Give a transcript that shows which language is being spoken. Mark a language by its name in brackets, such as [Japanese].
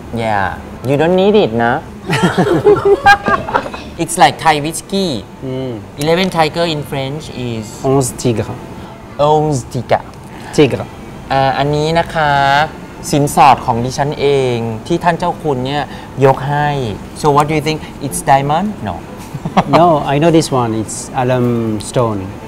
[English] yeah you don't need it นะ it's like Thai whiskey 11 tiger in French is [French] 11 tigre 11 tigre tigre [Thai] อันนี้นะคะสินสอดของดิฉันเองที่ท่านเจ้าคุณเนี่ยยกให้ [English] so what do you think it's diamond no no I know this one it's alum stone